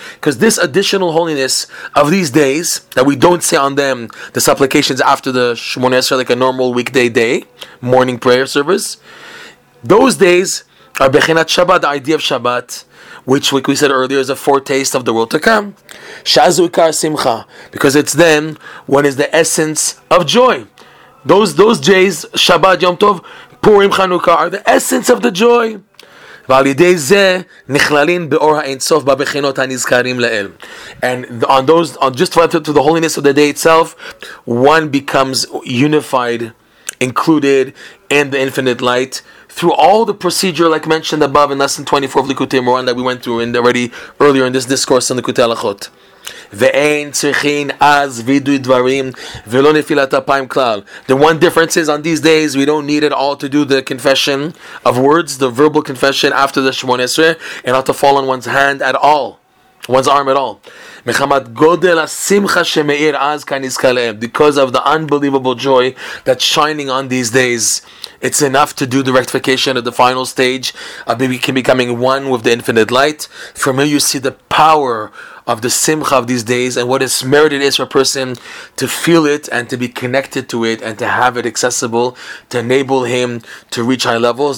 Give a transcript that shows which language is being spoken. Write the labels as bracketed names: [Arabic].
[English] Because this additional holiness of these days, that we don't say on them the supplications after the Shemoneh Esrei, like a normal weekday day, morning prayer service, those days are bechinat Shabbat, the idea of Shabbat, which, like we said earlier, is a foretaste of the world to come. [Hebrew] Shazu ikar simcha. [English] Because it's then when is the essence of joy. Those days, Shabbat, Yom Tov, Purim, Chanukah, are the essence of the joy. [Hebrew] ועל ידי זה נכללים באור האינסוף בבחינות הנזכרים לאל. [English] And just to the holiness of the day itself, one becomes unified, included in the infinite light through all the procedure like mentioned above in lesson 24 of Likutei Moran that we went through already earlier in this discourse on Likutei Halachot. [Hebrew] ואין צריכין אז וידוי דברים ולא נפילת אפיים כלל. [English] The one difference is on these days we don't need at all to do the confession of words, the verbal confession after the Shemoneh Esrei, and not to fall on one's hand at all, one's arm at all. [Hebrew] מחמת גודל השמחה שמאיר אז כנזכה להם. [English] Because of the unbelievable joy that's shining on these days It's enough to do the rectification of the final stage of becoming one with the infinite light. From here you see the power of the simcha of these days and what its merit it is for a person to feel it and to be connected to it and to have it accessible to enable him to reach high levels.